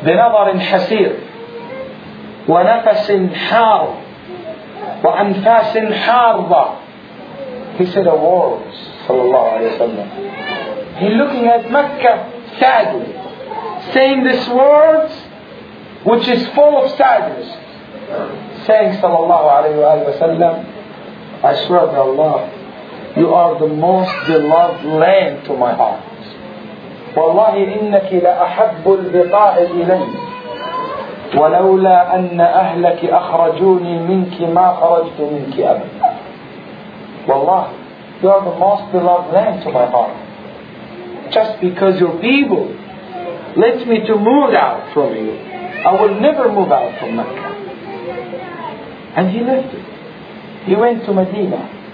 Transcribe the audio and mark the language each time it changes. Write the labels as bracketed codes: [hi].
[ar] بنظر حسير ونفس حار وأنفاس حاربة. [en] He said a word, [ar] صلى الله عليه وسلم. [en] He looking at Mecca sadly, saying this words which is full of sadness, saying [ar] صلى الله عليه وسلم, [en] I swear by Allah, you are the most beloved land to my heart. [ar] والله إنك لأحب البقاء إلي ولولا أن أهلك أخرجوني منك ما خرجت منك أبدا. [en] والله, you are the most beloved land to my heart. Just because your people let me to move out from you, I will never move out from Mecca. And he left it. He went to Medina.